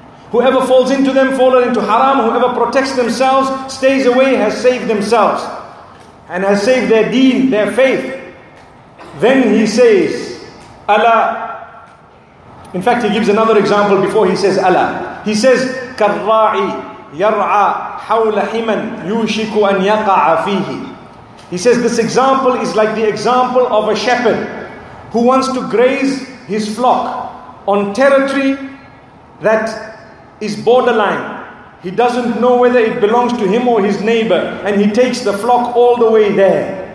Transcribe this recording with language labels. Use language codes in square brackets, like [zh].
[en] Whoever falls into them, fallen into haram. Whoever protects themselves, stays away, has saved themselves. And has saved their deen, their faith. Then he says, Allah. In fact, he gives another example before he says Allah. [ar] He says, كَالْرَاعِ يَرْعَى حَوْلَ حِمًا يُوشِكُ أَنْ يَقَعَ فِيهِ. [en] He says, this example is like the example of a shepherd who wants to graze his flock on territory that is borderline. He doesn't know whether it belongs to him or his neighbor. And he takes the flock all the way there.